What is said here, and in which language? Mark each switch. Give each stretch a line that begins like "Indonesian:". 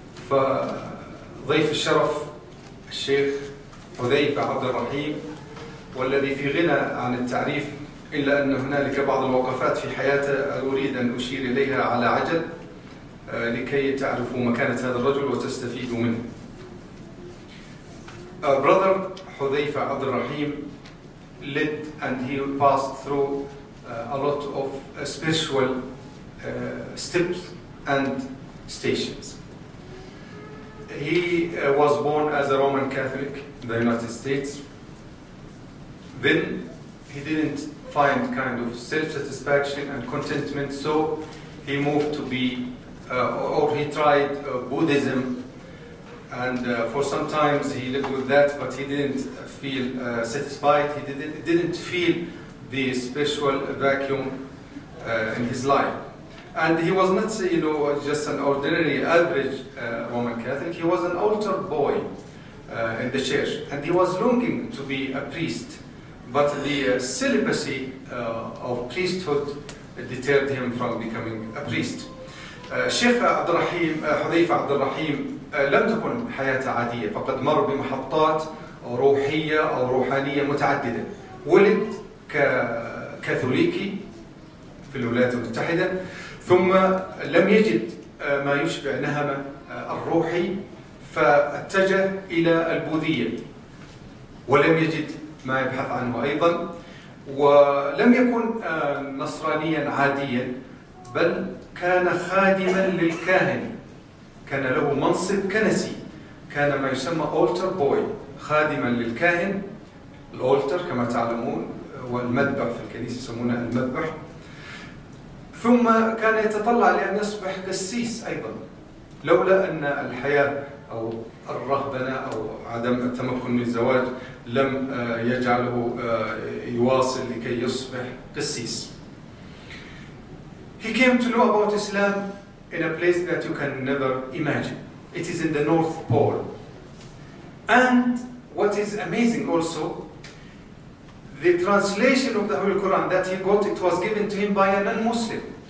Arabic: فضيف الشرف الشيخ حذيفه عبد الرحيم، والذي في غنى عن التعريف الا ان هنالك بعض الوقفات في حياته اريد ان اشير اليها على عجل لكي تعرفوا مكانه هذا الرجل وتستفيدوا منه.
English: Brother حذيفه عبد الرحيم lived and he passed through a lot of spiritual steps and stations. He was born as a Roman Catholic in the United States. Then he didn't find kind of self-satisfaction and contentment, so he moved to be, he tried Buddhism, and for some times he lived with that, but he didn't feel satisfied. He didn't feel the spiritual vacuum in his life. And he was not, just an ordinary, average Roman Catholic. He was an altar boy in the church, and he was longing to be a priest, but the celibacy of priesthood deterred him from becoming a priest.
Arabic: شيخ عبد الرحيم حذيفة عبد الرحيم لم تكن حياة عادية. فقد مر بمحطات روحية أو روحانية متعددة. ولد كاثوليكي في الولايات المتحدة. ثم لم يجد ما يشبع نهمه الروحي، فاتجه إلى البوذية ولم يجد ما يبحث عنه أيضا. ولم يكن نصرانيا عاديا، بل كان خادما للكاهن. كان له منصب كنسي، كان ما يسمى altar boy، خادما للكاهن. الالتر كما تعلمون والمذبح في الكنيسة يسمونه المذبح. ثم كان يتطلع لأن يصبح قسيس أيضا، لولا أن الحياة أو الرهبنة أو عدم التمكن من الزواج لم يجعله يواصل لكي يصبح قسيس.
English: He came to know about Islam in a place that you can never imagine. It is in the North Pole. And what is amazing also, the translation of the Holy Quran that he got, it was given to him by a non-Muslim.